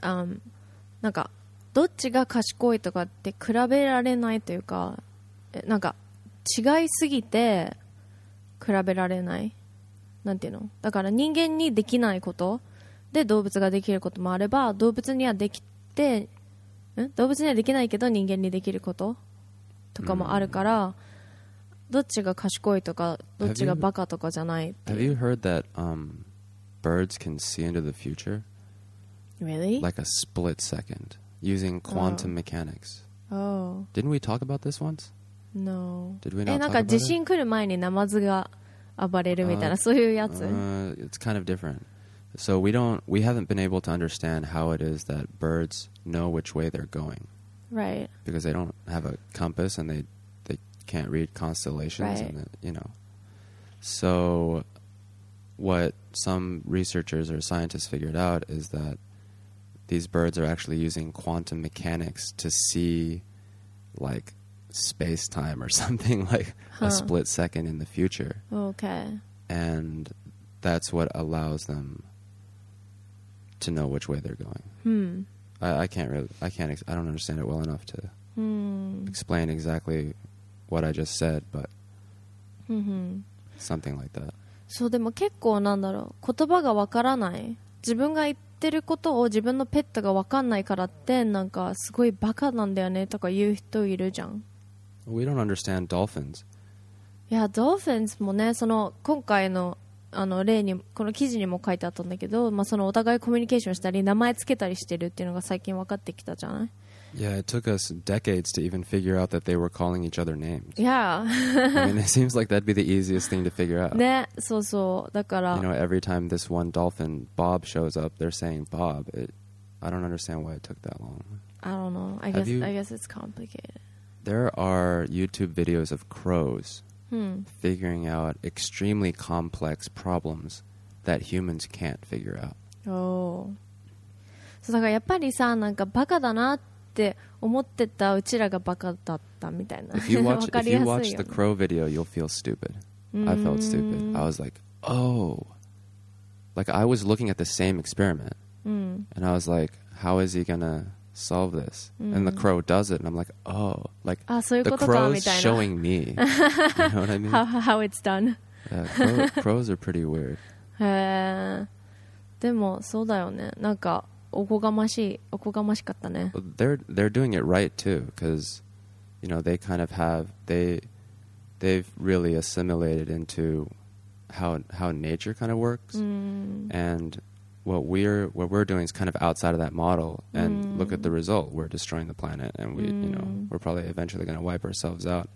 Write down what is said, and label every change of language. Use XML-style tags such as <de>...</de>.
<ja>なんか、どっちが賢いとかって比べられないというか、なんか、違いすぎて比べられない。なんていうの? だから人間にできないことで動物ができることもあれば、動物にはできて、動物にはできないけど人間にできることとかもあるから、どっちが賢いとかどっちがバカとかじゃないって。</ja> <en>Have you heard that birds can see into the future? Really? Like a split second using quantum mechanics. Oh. Didn't we talk about this once? No. Did we not talk about it?</en> <ja>なんか地震来る前にナマズが暴れるみたいな、そういうやつ。</ja> <en>It's kind of different. So we haven't been able to understand how it is that birds know which way they're going. Right. Because they don't have a compass and they can't read constellations. Right. And you know. So what some researchers or scientists figured out is that these birds are actually using quantum mechanics to see like space-time or something like a split second in the future. Okay. And that's what allows them... to know which way they're going. I don't understand it well enough to explain exactly what I just said, but something like that.</en> <ja>そう、でも結構なんだろう、言葉がわからない、自分が言ってることを自分のペットがわかんないからってなんかすごいバカなんだよねとか言う人いるじゃん。</ja> <en>We don't understand dolphins. Yeah, dolphins</en> <ja>もね、その今回のあの例にこの記事にも書いてあったんだけど、まあ、そのお互いコミュニケーションしたり名前つけたりしてるっていうのが最近分かってきたじゃない。</ja> <en>Yeah, it took us decades to even figure out that they were calling each other names. Yeah. I mean, it seems like that'd be the easiest thing to figure out.</en> <ja>ね、そうそう、だから</ja> <en>You know, every time this one dolphin, Bob, shows up, they're saying Bob. I don't understand why it took that long. I don't know. I guess it's complicated. There are YouTube videos of crows figuring out extremely complex problems that humans can't figure out. Oh.</en> <ja>So, だからやっぱりさ、なんかバカだなって思ってたうちらがバカだったみたいな。</ja> <en>If you watch the crow video, you'll feel stupid. I felt stupid. I was like, oh. Like, I was looking at the same experiment. And I was like, how is he gonna... solve this and the crow does it and I'm like oh like</en> <ja>そういうことか</ja> <en>the crow is showing me you know what I mean how it's done crows are pretty weird</en> <ja>でもそうだよね、なんかおこがましかったね</ja> <en>they're doing it right too because you know they kind of have they've really assimilated into how nature kind of works. And what we're doing is kind of outside of that model. And look at the result. We're destroying the planet. And we, you know, we're probably eventually going to wipe ourselves out.</en>